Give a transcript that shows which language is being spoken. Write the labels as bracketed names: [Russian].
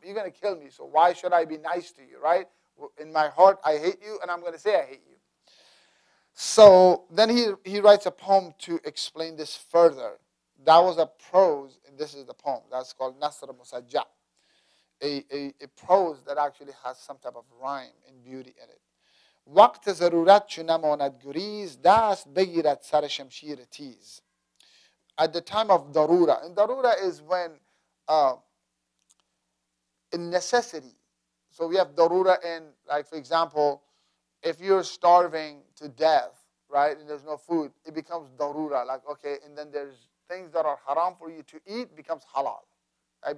[English] You're going to kill me, so why should I be nice to you, right? In my heart, I hate you, and I'm going to say I hate you. So then he writes a poem to explain this further. That was a prose, and this is the poem. That's called Nasr Musajja, a prose that actually has some type of rhyme and beauty in it. [Persian] وقت ضرورت چو نماند گریز دست بگیرد سر شمشیر تیز. [English] At the time of darura, and darura is when in necessity. So we have darura in, like, for example, if you're starving to death, right, and there's no food, it becomes darura. Like, okay, and then there's things that are haram for you to eat becomes halal, right?